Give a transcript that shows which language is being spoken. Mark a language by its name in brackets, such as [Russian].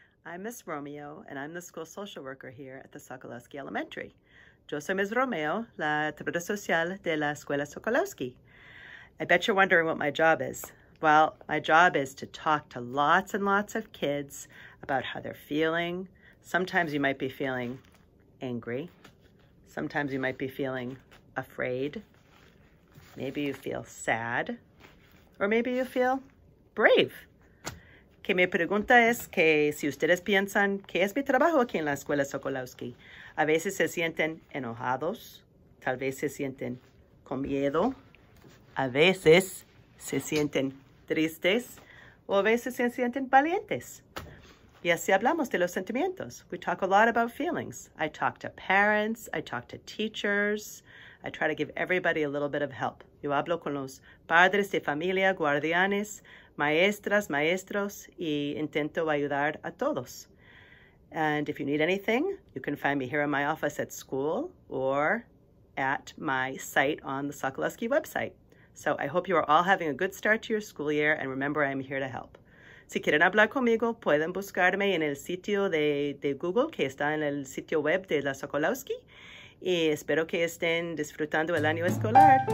[English] I'm Miss Romeo, and I'm the school social worker here at the Sokolowski Elementary. [Spanish] Yo soy Miss Romeo, la trabajadora social de la Escuela Sokolowski. [English] I bet you're wondering what my job is. Well, my job is to talk to lots and lots of kids about how they're feeling. Sometimes you might be feeling angry. Sometimes you might be feeling afraid. Maybe you feel sad, or maybe you feel brave. [Spanish] Que me pregunta es que si ustedes piensan que es mi trabajo aquí en la Escuela Sokolowski. A veces se sienten enojados, tal vez se sienten con miedo, a veces se sienten tristes, o a veces se sienten valientes. Y así hablamos de los sentimientos. [English] We talk a lot about feelings. I talk to parents, I talk to teachers, I try to give everybody a little bit of help. [Spanish] Yo hablo con los padres de familia, guardianes, maestras, maestros, y intento ayudar a todos. [English] And if you need anything, you can find me here in my office at school or at my site on the Sokolowski website. So I hope you are all having a good start to your school year, and remember, I'm here to help. [Spanish] Si quieren hablar conmigo, pueden buscarme en el sitio de Google, que está en el sitio web de la Sokolowski, y espero que estén disfrutando el año escolar.